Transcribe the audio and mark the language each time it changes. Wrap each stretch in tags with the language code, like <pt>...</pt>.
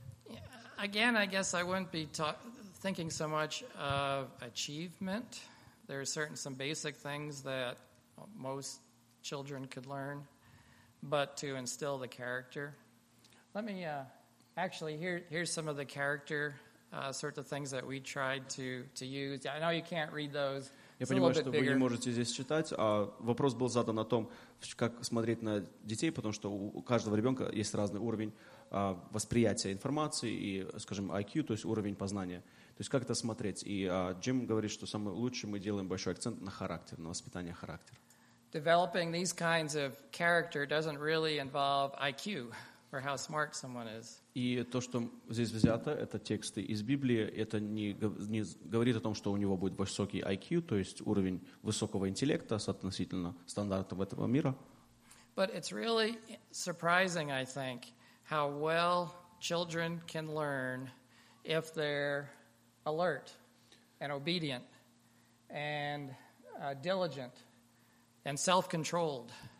<en>Yeah, again, I guess I wouldn't be thinking so much of achievement. There are certain some basic things that most children could learn, but to instill the character. Let me actually here's some of the character sorts of things that we tried to use. I know you can't read those.</en> <ru>Я понимаю, что вы не можете здесь читать, а вопрос был задан о том, как смотреть на детей, потому что у каждого ребенка есть разный уровень восприятия информации и, скажем, IQ, то есть уровень познания. То есть как это смотреть? И Джим говорит, что самое лучшее мы делаем большой акцент на характер, на воспитание характера.</ru> <en>Developing these kinds of character doesn't really involve IQ. Or how smart someone is.</en> <ru>И то, что здесь взято, это тексты из Библии, это не говорит о том, что у него будет высокий IQ, то есть уровень высокого интеллекта относительно стандартов этого мира.</ru> <en>But it's really surprising, I think, how well children can learn if they're alert and obedient and diligent and self-controlled.</en>